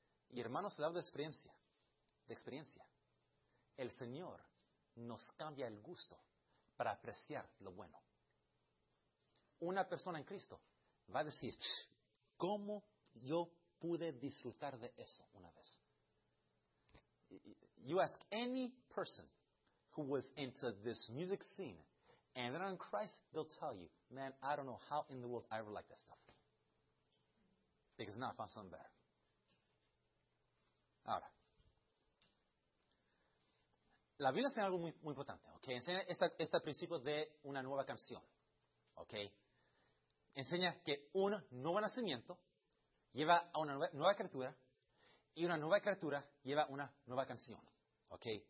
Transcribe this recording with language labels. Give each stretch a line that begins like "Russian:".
Spanish: Y hermanos, la experiencia, el Señor nos cambia el gusto para apreciar lo bueno. Una persona en Cristo va a decir, ¿cómo yo pude disfrutar de eso una vez?
English: You ask any person who was into this music scene and they're in Christ, they'll tell you, man, I don't know how in the world I ever liked that stuff. Because now I found something better.
Spanish: Ahora, la Biblia enseña algo muy importante, ¿ok? Enseña este principio de una nueva canción, ¿ok? Enseña que un nuevo nacimiento lleva a una nueva criatura y una nueva criatura lleva a una nueva canción, ¿ok?